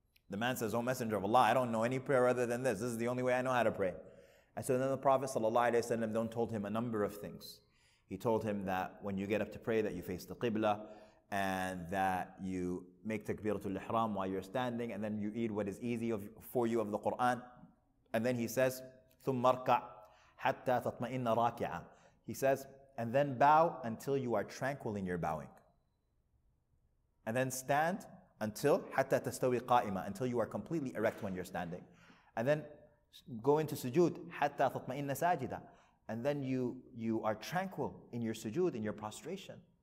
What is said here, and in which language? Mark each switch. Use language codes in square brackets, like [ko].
[en] The man says, oh Messenger of Allah, I don't know any prayer other than this. This is the only way I know how to pray. And so then the Prophet sallallahu alayhi wa sallam then told him a number of things. He told him that when you get up to pray, that you face the Qibla, and that you make takbiratul ihram while you're standing, and then you read what is easy for you of the Qur'an. And then he says, [ar] ثُمَّ ارْكَعْ حَتَّى تَطْمَئِنَّ رَاكِعًا. [en] He says, and then bow until you are tranquil in your bowing. And then stand until, [ar] حَتَّى تَسْتَوِي قَائِمًا, [en] until you are completely erect when you're standing. And then go into sujood, [ar] حَتَّى تَطْمَئِنَّ سَاجِدًا. [en] And then you are tranquil in your sujood, in your prostration.